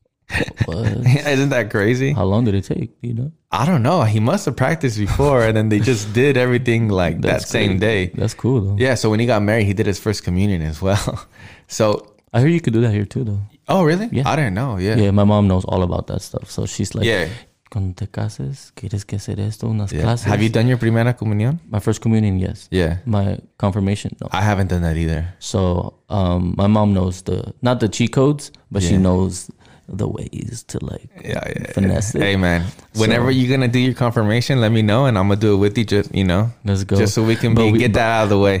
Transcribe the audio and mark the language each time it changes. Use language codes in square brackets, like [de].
[en] Isn't that crazy? How long did it take, you know? I don't know. He must have practiced before and then they just did everything like that great. Same day. That's cool though. Yeah, so when he got married, he did his first communion as well. So I hear you could do that here too though. Oh really? Yeah. I didn't know. Yeah. Yeah, my mom knows all about that stuff. So she's like, yeah. [es] Cuando te cases, quieres que hacer esto, unas clases. [en] Have you done your primera comunión? My first communion, yes. Yeah. My confirmation, no. I haven't done that either. So my mom knows not the cheat codes, but she knows the ways to like finesse it. Hey man, whenever you're gonna do your confirmation, let me know and I'm gonna do it with you. Just, you know, let's go. Just so we can get that out of the way.